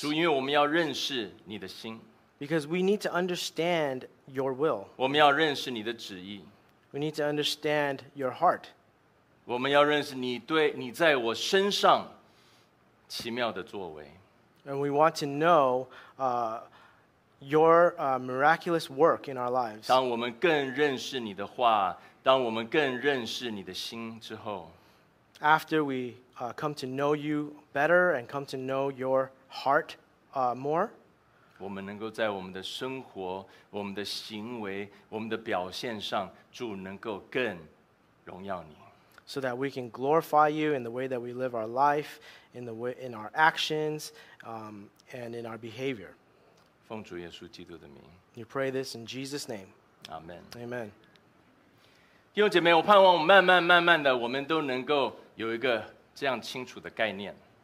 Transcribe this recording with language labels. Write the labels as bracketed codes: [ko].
[zh] 主，因为我们要认识你的心。 [en] Because we need to understand your will. [zh] 我们要认识你的旨意。 [en] We need to understand your heart. [zh] 我们要认识你对你在我身上奇妙的作为。 [en] And we want to know your miraculous work in our lives. [zh] 当我们更认识你的话，当我们更认识你的心之后 [en] ，After we come to know you better and come to know your heart more. [zh] 我们能够在我们的生活、我们的行为、我们的表现上，主能够更荣耀你。 [en] So that we can glorify you in the way that we live our life, in the way in our actions, and in our behavior. [zh] 奉主耶稣基督的名。 [en] You pray this in Jesus' name. Amen. Amen. [zh] 弟兄姐妹，我盼望我慢慢慢慢的，我们都能够有一个这样清楚的概念。